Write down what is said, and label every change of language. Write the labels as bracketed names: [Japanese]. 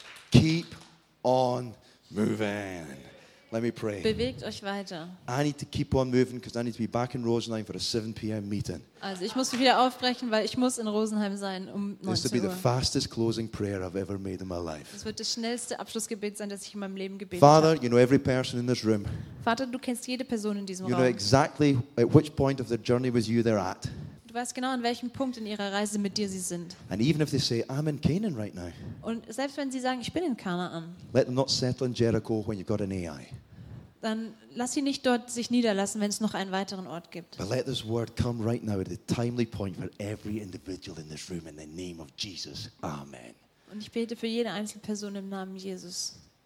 [English] Keep on moving. Let me pray. [German] Bewegt euch weiter. [English] I need to keep on moving because I need to be back in Rosenheim for a 7 p.m. meeting. [German] Also ich muss wieder aufbrechen, weil ich muss in Rosenheim sein um 19 Uhr. [English] This will be the fastest closing prayer I've ever made in my life. [German] Das wird das schnellste Abschlussgebet sein, das ich in meinem Leben gebetet habe. [English] Father, you know every person in this room. [German] Vater, du kennst jede Person in diesem Raum. [English] You know exactly at which point of the journey was you there at. [German] Du weißt genau, an welchem Punkt in ihrer Reise mit dir sie sind. [English] And even if they say, I'm in Canaan right now. [German] Und selbst wenn sie sagen, ich bin in Kanaan. [English] Let them not settle in Jericho when you've got an AI. [German] Dann lass sie nicht dort sich niederlassen, wenn es noch einen weiteren Ort gibt. [English] But let this word come right now at the timely point for every individual in this room in the name of Jesus. Amen. [German] Und ich bete für jede einzelne Person im Namen Jesus.